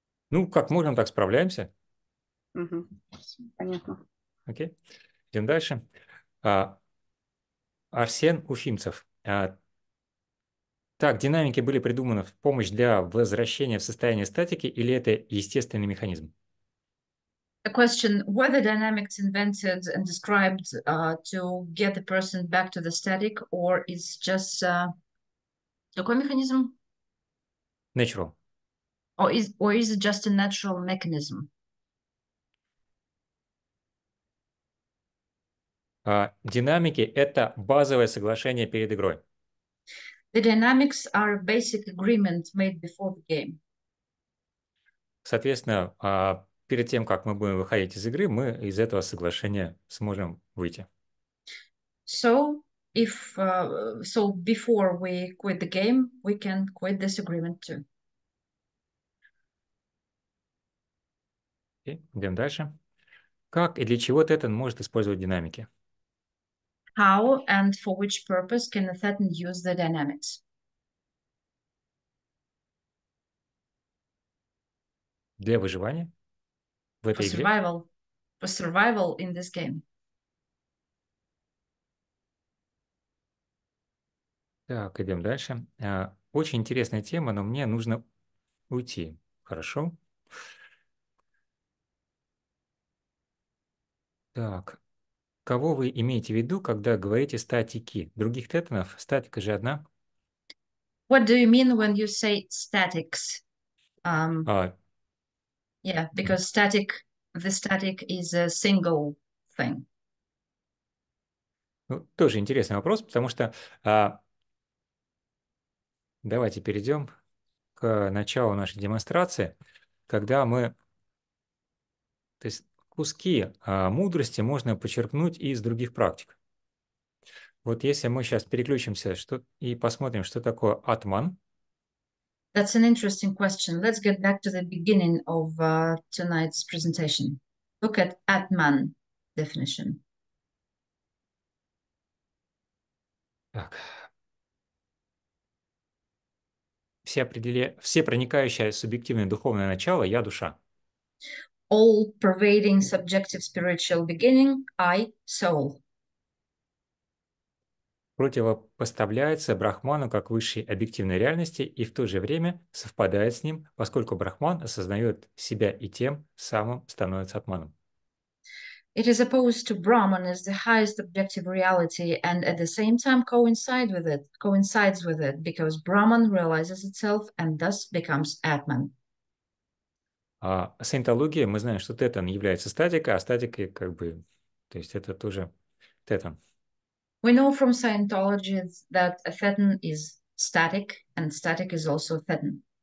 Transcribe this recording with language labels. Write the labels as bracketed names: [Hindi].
[Russian] Ну, как можем, так справляемся. Понятно. Окей. Идем дальше. Арсен Уфимцев. Так, динамики были придуманы в помощь для возвращения в состояние статики или это естественный механизм? [English] A question, were the dynamics invented and described to get the person back to the static, or is just [Russian] какой механизм? [English] Natural. Or is it just a natural mechanism? [Russian] Динамики – это базовое соглашение перед игрой. [English] The dynamics are a basic agreement made before the game. [Russian] Соответственно, перед тем, как мы будем выходить из игры, мы из этого соглашения сможем выйти. [English] So before we quit the game, we can quit this agreement too. [Russian] Okay, идем дальше. Как и для чего Тетон может использовать динамики? [English] How and for which purpose can a Thetan use the dynamics? [Russian] Для выживания в этой игре? [English] For survival in this game. [Russian] Так, идем дальше. Очень интересная тема, но мне нужно уйти. Хорошо. Так. Кого вы имеете в виду, когда говорите статики? Других тетанов? Статика же одна. [English] What do you mean when you say statics? Yeah, because static is a single thing. [Russian] Ну, тоже интересный вопрос, потому что давайте перейдем к началу нашей демонстрации, когда мы... То есть, куски мудрости можно почерпнуть из других практик. Вот если мы сейчас переключимся и посмотрим, что такое атман. [English] That's an interesting question. Let's get back to the beginning of tonight's presentation. Look at atman definition. [Russian] Так. Все проникающее субъективное духовное начало «я душа». [English] All pervading subjective spiritual beginning, I, soul. [Russian] Противопоставляется Брахману как высшей объективной реальности и в то же время совпадает с ним, поскольку Брахман осознает себя и тем самым становится атманом. [English] It is opposed to Brahman as the highest objective reality and at the same time coincides with it, because Brahman realizes itself and thus becomes atman. [Russian] Саентология, мы знаем, что Тетан является статикой, а статикой как бы, то есть это тоже Тетан. [English] We know from Scientology that a Thetan is static, and static is also a Thetan.